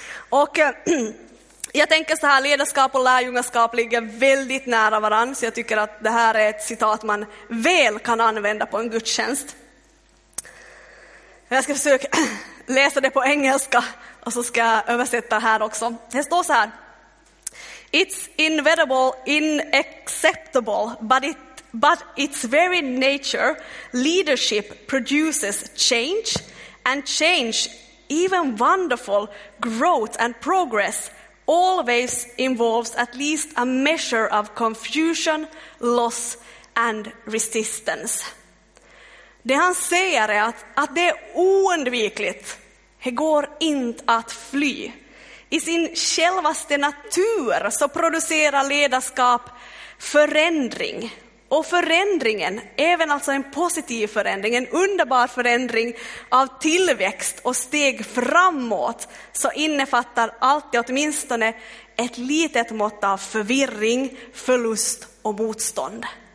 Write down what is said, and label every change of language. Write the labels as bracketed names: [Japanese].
[Swedish] Och jag tänker så här, ledarskap och lärjungaskap ligger väldigt nära varann. Så jag tycker att det här är ett citat man väl kan använda på en gudstjänst. Jag ska försöka läsa det på engelska och så ska jag översätta här också. Det står så här. [English] It's inevitable, inacceptable, but its very nature, leadership produces change, and change, even wonderful, growth and progress, always involves at least a measure of confusion, loss and resistance. [Swedish] Det han säger är att det är oundvikligt. Det går inte att fly. I sin självaste natur så producerar ledarskap förändring. Och förändringen, även alltså en positiv förändring, en underbar förändring av tillväxt och steg framåt, så innefattar alltid åtminstone ett litet mått av förvirring, förlust och motstånd.